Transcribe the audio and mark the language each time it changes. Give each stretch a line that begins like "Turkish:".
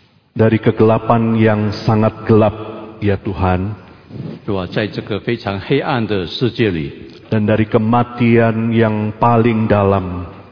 Indonesian: Dari kegelapan yang sangat gelap, ya Tuhan.
Chinese: 主啊, 在这个非常黑暗的世界里,
Indonesian: dan dari kematian yang paling dalam,